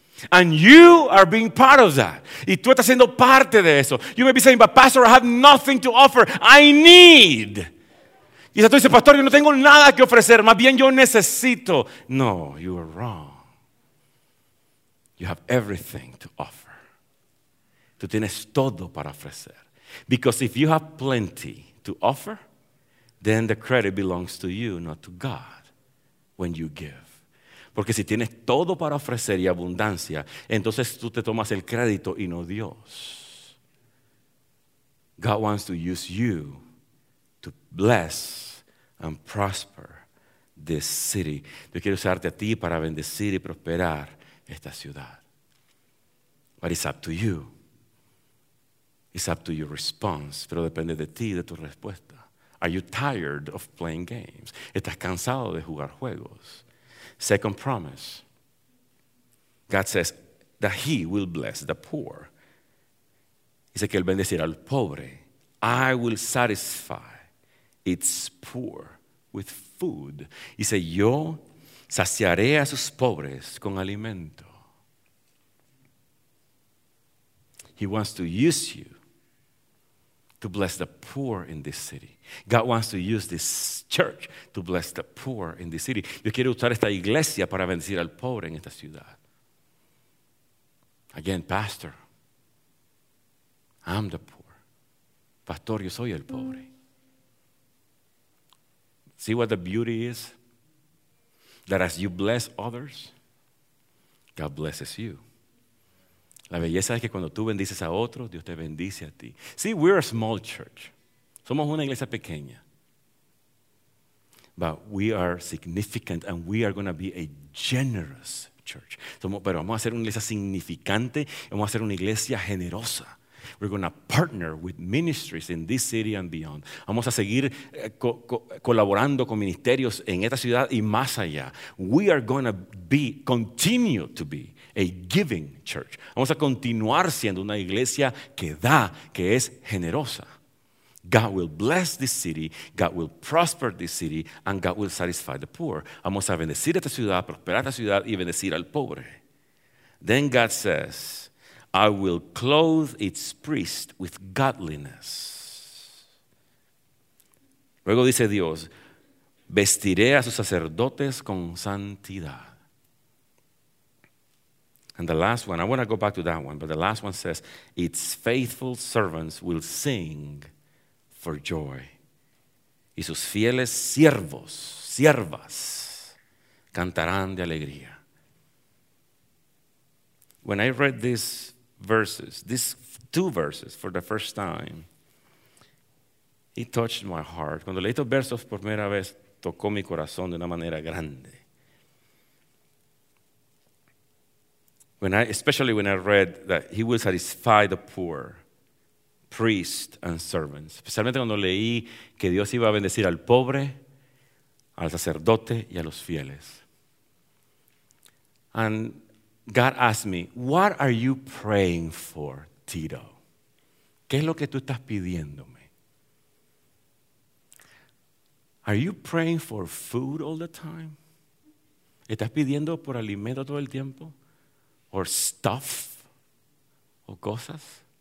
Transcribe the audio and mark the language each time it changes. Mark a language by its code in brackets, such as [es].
[en] And you are being part of that. [es] Y tú estás siendo parte de eso. [en] You may be saying, but pastor, I have nothing to offer. I need. [es] Y tú dices, pastor, yo no tengo nada que ofrecer. Más bien, yo necesito. [en] No, you are wrong. You have everything to offer. [es] Tú tienes todo para ofrecer. [en] Because if you have plenty to offer, then the credit belongs to you, not to God, when you give. [es] Porque si tienes todo para ofrecer y abundancia, entonces tú te tomas el crédito y no Dios. [en] God wants to use you to bless and prosper this city. [es] Yo quiero usarte a ti para bendecir y prosperar esta ciudad. [en] But it's up to you. It's up to your response. [es] Pero depende de ti, de tu respuesta. [en] Are you tired of playing games? [es] ¿Estás cansado de jugar juegos? [en] Second promise. God says that he will bless the poor. [es] Dice que él bendecirá al pobre. [en] I will satisfy its poor with food. [es] Dice, yo saciaré a sus pobres con alimento. [en] He wants to use you to bless the poor in this city. God wants to use this church to bless the poor in this city. [es] Dios quiere usar esta iglesia para bendecir al pobre en esta ciudad. [en] Again, pastor, I'm the poor. [es] Pastor, yo soy el pobre. [en] See what the beauty is? That as you bless others, God blesses you. [es] La belleza es que cuando tú bendices a otros, Dios te bendice a ti. [en] See, we're a small church. [es] Somos una iglesia pequeña. [en] But we are significant and we are going to be a generous church. [es] Pero vamos a ser una iglesia significante, vamos a ser una iglesia generosa. [en] We're going to partner with ministries in this city and beyond. [es] Vamos a seguir colaborando con ministerios en esta ciudad y más allá. [en] We are going to continue to be a giving church. [es] Vamos a continuar siendo una iglesia que da, que es generosa. [en] God will bless this city, God will prosper this city, and God will satisfy the poor. [es] Vamos a bendecir esta ciudad, prosperar esta ciudad y bendecir al pobre. [en] Then God says, I will clothe its priest with godliness. [es] Luego dice Dios, vestiré a sus sacerdotes con santidad. [en] And the last one, I want to go back to that one, but the last one says, its faithful servants will sing for joy. [es] Y sus fieles siervos, siervas, cantarán de alegría. [en] When I read these verses, these two verses for the first time, it touched my heart. [es] Cuando leí estos versos por primera vez, tocó mi corazón de una manera grande. [en] Especially when I read that he will satisfy the poor, priests and servants. [es] Especialmente cuando leí que Dios iba a bendecir al pobre, al sacerdote y a los fieles. [en] And God asked me, what are you praying for, Tito? [es] ¿Qué es lo que tú estás pidiéndome? [en] Are you praying for food all the time? [es] ¿Estás pidiendo por alimento todo el tiempo? [en] Or stuff? [es] ¿O cosas?